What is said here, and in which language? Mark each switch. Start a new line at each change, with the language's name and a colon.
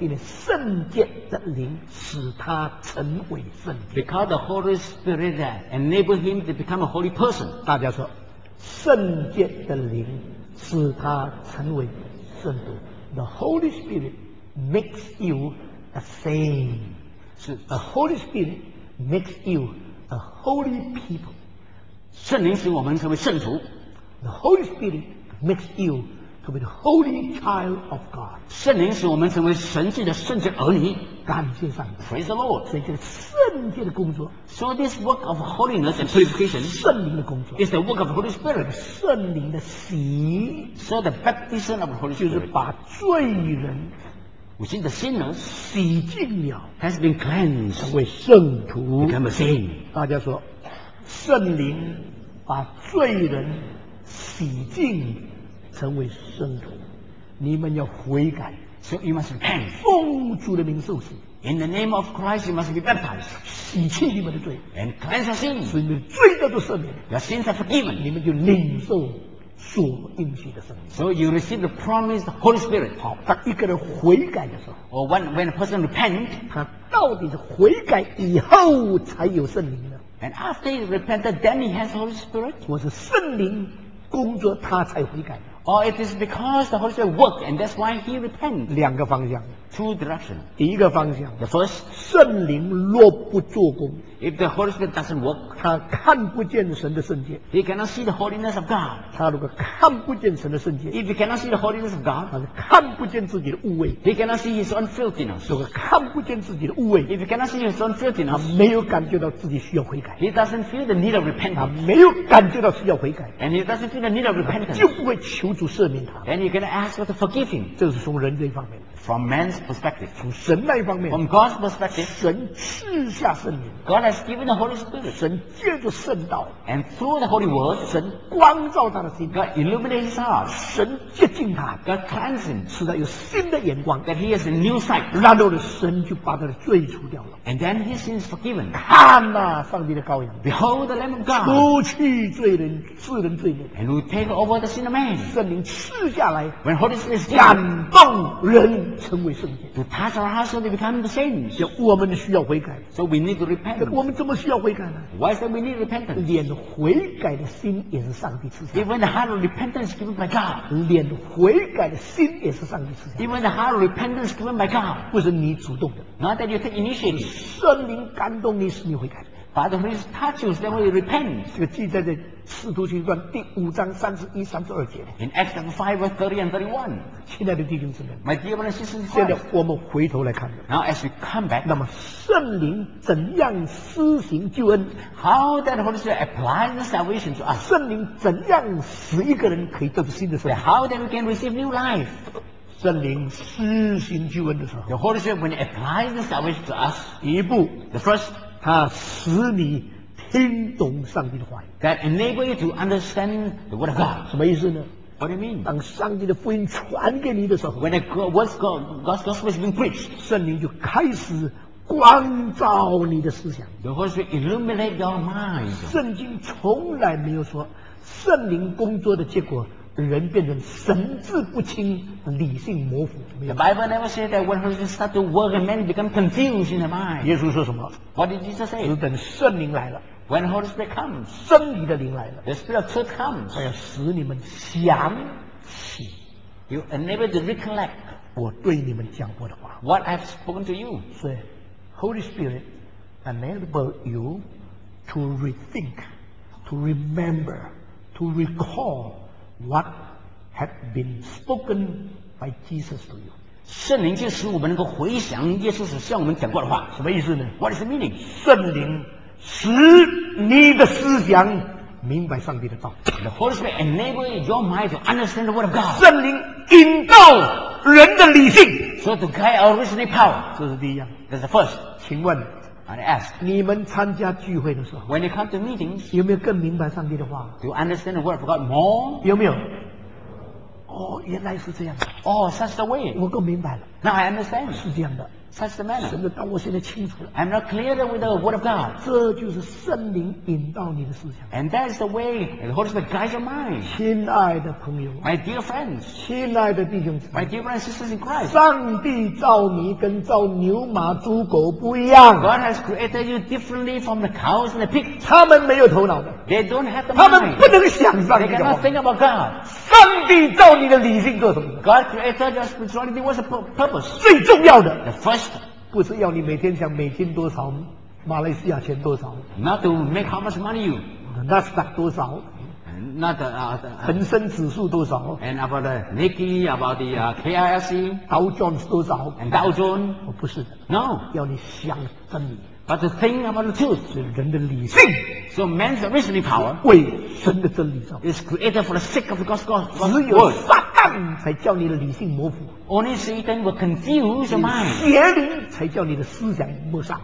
Chinese: 因为圣洁的灵使他成为圣洁。
English: Because the Holy Spirit enable him to become a holy person.
Chinese: 大家说，圣洁的灵使他成为圣徒。
English: The Holy Spirit makes you a saint. The Holy Spirit makes you a holy people.
Chinese: 圣灵使我们成为圣徒。
English: The Holy Spirit makes you. To be the holy child of God.
Chinese: 圣灵使我们成为神迹的圣洁儿女。感谢上帝。
English: Praise the Lord.
Chinese: 所以这个圣洁的工作。
English: So this work of holiness and purification.
Chinese: 圣灵的工作。
English: Is the work of the Holy Spirit.
Chinese: 圣灵的洗。
English: So the baptism of the Holy Spirit.
Chinese: 就是把罪人。
English: Which is the sinner.
Chinese: 洗净了。
English: Has been cleansed.
Chinese: 成为圣徒。
English: Become a saint.
Chinese: 大家说，圣灵把罪人洗净。成为圣徒，你们要悔改。
English: So you must repent.
Chinese: 奉主的名受洗。
English: In the name of Christ, you must be baptized.
Chinese: 洗去你们的罪。
English: And cleanse your sins.
Chinese: 所以你们的罪都赦免。
English: Your sins are forgiven.
Chinese: 你们就领受所应许的圣灵。
English: So you receive the promised Holy Spirit.
Chinese: 好，当一个人悔改的时候。
English: Or when a person repent,
Chinese: 他到底是悔改以后才有圣灵呢？
English: And after he repented, then he has Holy Spirit.
Chinese: 我是圣灵工作，他才悔改。
English: Or it is because the Holy Spirit worked, and that's why he repents.
Chinese: 两个方向
English: ，two directions.
Chinese: 第一个方向
English: ，the first.
Chinese: 圣灵若不做工
English: ，if the Holy Spirit doesn't work,
Chinese: 他看不见神的圣洁
English: ，he cannot see the holiness of God.
Chinese: 他如果看不见神的圣洁
English: ，if he cannot see the holiness of God,
Chinese: 他是看不见自己的污秽
English: ，he cannot see his own filthiness.
Chinese: 如果看不见自己的污秽
English: ，if he cannot see his own filthiness,
Chinese: 他没有感觉到自己需要悔改
English: ，he doesn't feel the need of repentance.
Chinese: 他没有感觉到需要悔改
English: ，and he doesn't feel the need of repentance.
Chinese: 就不会求。主赦免他。
English: And you're going to ask for the forgiving.
Chinese: 这是从人这一方面。
English: From man's perspective.
Chinese: 从神那一方面。
English: From God's perspective.
Chinese: 神赐下圣灵。
English: God has given the Holy Spirit.
Chinese: 神借着圣道。
English: And through the Holy Word.
Chinese: 神光照他的心。
English: God illuminates his heart.
Chinese: 神洁净他。
English: God cleanses him.
Chinese: 使他有新的眼光。
English: That he has a new sight.
Chinese: 然后神就把他的罪除掉了。
English: And then his sins forgiven.
Chinese: 看哪，上帝的羔羊。
English: Behold the Lamb of God.
Chinese: 除去罪人，世人罪孽。
English: And who take over the sin of man.
Chinese: 圣灵赐下来
English: ，When Holy Spirit
Chinese: 感动人成为圣洁
English: ，To touch our hearts and become the saints，
Chinese: 我们需要悔改
English: ，So we need to repent。
Chinese: 我们怎么需要悔改呢
English: ？Why is that we need repentance？
Chinese: 连悔改的心也是上帝赐下的
English: ，Even the heart of repentance given by God。
Chinese: 连悔改的心也是上帝赐下的
English: ，Even the heart of repentance given by God。
Chinese: 不是你主动的
English: ，Not that you take initiative。
Chinese: 圣灵感动你使你悔改。
English: But when he touches, then we repent.
Chinese: 这个记载在使徒行传第五章三十一、三十二节。
English: In Acts 5:30-31.
Chinese: 亲爱的弟兄姊妹
English: ，My dear brothers and sisters,
Chinese: 现在我们回头来看。
English: Now as we come back,
Chinese: 那么圣灵怎样施行救恩
English: ？How that Holy Spirit applies salvation to us?
Chinese: 圣灵怎样使一个人可以得新的生命
English: ？How that we can receive new life?
Chinese: 圣灵施行救恩的时候
English: ，The Holy Spirit when it applies salvation to us,
Chinese: 一步
English: ，The first.
Chinese: 他使你听懂上帝的话语
English: That enable you to understand the word of God
Chinese: 什么意思呢
English: What do you mean?
Chinese: 当上帝的福音传给你的时候
English: When God's gospel is being preached
Chinese: 圣灵就开始光照你的思想
English: The Holy Spirit illuminate your mind
Chinese: 圣经从来没有说圣灵工作的结果人变成神志不清理性模糊
English: The Bible never said that when Holy Spirit start to work men become confused in their mind
Chinese: 耶稣说什么
English: What did Jesus say?
Chinese: 只等圣灵来了
English: When Holy Spirit comes
Chinese: 真理的灵来了
English: The Spirit of truth comes
Chinese: 他要使你们想起
English: You enable to recollect
Chinese: 我对你们讲过的话
English: What I've spoken to you
Chinese: 所以
English: Holy Spirit enable you to rethink to remember to recallWhat had been spoken by Jesus to you?
Chinese: 圣灵就使我们能够回想耶稣所向我们讲过的话，什么意思呢
English: ？What is the meaning?
Chinese: 圣灵使你的思想明白上帝的道。
English: The Holy Spirit enables your mind to understand the word of God.
Chinese: 圣灵引导人的理性。
English: So to guide our reasoning power.
Chinese: 这是第一样。
English: That's the first.
Chinese: 请问。
English: I ask,
Chinese: 你们参加聚会的时候
English: When you come to meetings,
Chinese: 有没有更明白上帝的话
English: Do you understand the word of God more?
Chinese: 有没有哦原来是这样的
English: Oh, such the way
Chinese: 我更明白了
English: Now I understand
Chinese: 是这样的
English: Such the manner
Chinese: 神的道我现在清楚了
English: I'm not clear with the word of God
Chinese: 这就是圣灵引导你的思想
English: And that's the way the Holy Spirit guides your mind
Chinese: 亲爱的朋友
English: My dear friends
Chinese: 亲爱的弟兄姊妹
English: My dear brothers and sisters in Christ
Chinese: 上帝造你跟造牛马猪狗不一样
English: God has created you differently from the cows and the pigs
Chinese: 他们没有头脑的
English: They don't have the mind
Chinese: 他们不能想上帝的话
English: They cannot think about God
Chinese: 上帝造你的理性做什么
English: God created your spirituality What's the purpose
Chinese: 最重要的
English: The first
Chinese: 不是要你每天想每天多少马来西亚钱多少
English: Not to make how much money you
Chinese: Nasdaq 多少
English: Not the
Chinese: 恒生指数多少
English: And about the Nikkei About the KISE
Chinese: Dow Jones 多少
English: And Dow Jones
Chinese: 不是
English: No
Chinese: 要你想真理
English: But to think about the truth
Chinese: 是人的理性
English: So man's reasoning power
Chinese: 为神的真理
English: Is created for the sake of God's word
Chinese: 只有撒旦才叫你的理性模糊
English: Only Satan will confuse your mind.
Chinese: 邪灵才叫你的思想抹杀。